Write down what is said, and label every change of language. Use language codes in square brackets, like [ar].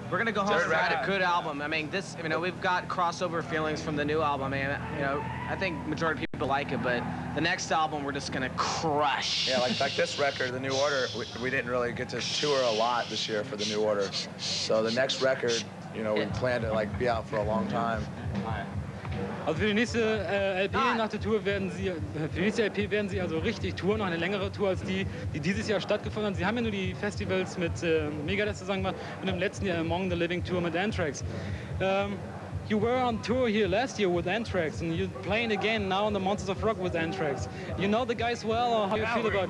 [en] We're gonna go home and write a good album. I mean, we've got crossover feelings from the new album. I think majority of people like it, but the next album we're just gonna crush. Yeah, like this record, The New Order, we didn't really get to tour a lot this year for The New Order. So the next record, we plan to be out for a long time. [de] Also für die nächste LP nach der Tour werden sie richtig touren, noch eine längere Tour als die dieses Jahr stattgefunden hat. Sie haben ja nur die Festivals mit Megadeth zusammen gemacht und im letzten Jahr Among the Living Tour mit Anthrax. [en] you were on tour here last year with Anthrax, and you're playing again now in the Monsters of Rock with Anthrax. You know the guys well, or how do you feel about it?